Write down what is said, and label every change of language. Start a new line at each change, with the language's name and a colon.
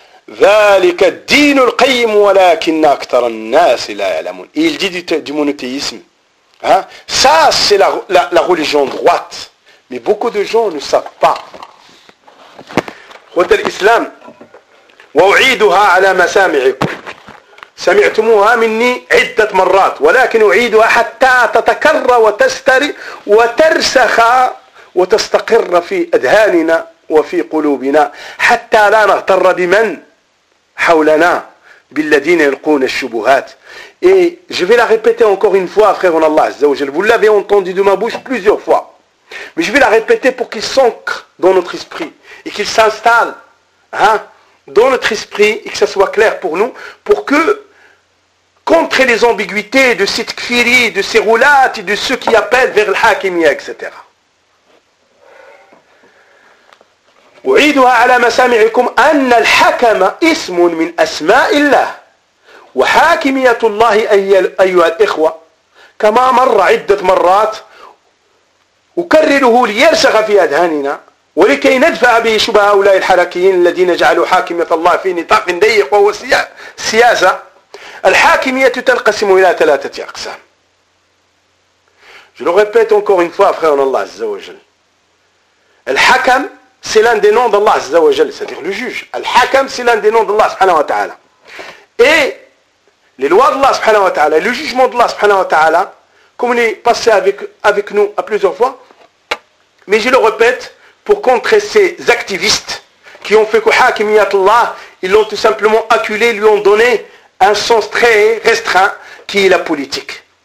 Arabic: ذلك الدين القيم ولكن أكثر الناس لا يعلمون.
French: Il dit du monothéisme. Hein? Ça, c'est la religion droite. Mais beaucoup de gens ne savent pas. Quant à l'islam,
Arabic: وأعيدها على مسامعكم. سمعتموها مني عدة مرات ولكن أعيدها حتى تتكرر وتستر وترسخ وتستقر في أذهاننا وفي قلوبنا حتى لا نغتر بمن حولنا بالذين يلقون الشبهات.
French: Et je vais la répéter encore une fois, frère en Allah Azza wa Jal. Vous l'avez entendu de ma bouche plusieurs fois. Mais je vais la répéter pour qu'il s'ancre dans notre esprit et qu'il s'installe dans notre esprit et que ça soit clair pour nous, pour que, contre les ambiguïtés de cette kfiri, de ces roulates et de ceux qui appellent vers le hakimiyya, etc.
Arabic: أعيدها على مسامعكم أن الحكم اسم من أسماء الله وحاكمية الله أيها الإخوة كما مر عدة مرات أكرره ليرسخ في أذهاننا ولكي ندفع به شبه هؤلاء الحركيين الذين جعلوا حاكمية الله في نطاق ضيق وهو سياسة. الحاكمية تنقسم إلى ثلاثة أقسام.
French: Je le répète encore une fois, frère en Allah عز وجل. الحكم c'est l'un des noms d'Allah Azza wa Jal, c'est-à-dire le juge. Al-Hakam, c'est l'un des noms d'Allah subhanahu wa ta'ala. Et les lois d'Allah subhanahu wa ta'ala, le jugement d'Allah subhanahu wa ta'ala, comme il est passé avec nous à plusieurs fois, mais je le répète, pour contrer ces activistes qui ont fait que Hakimiyat Allah, ils l'ont tout simplement acculé, lui ont donné un sens très restreint qui est la politique.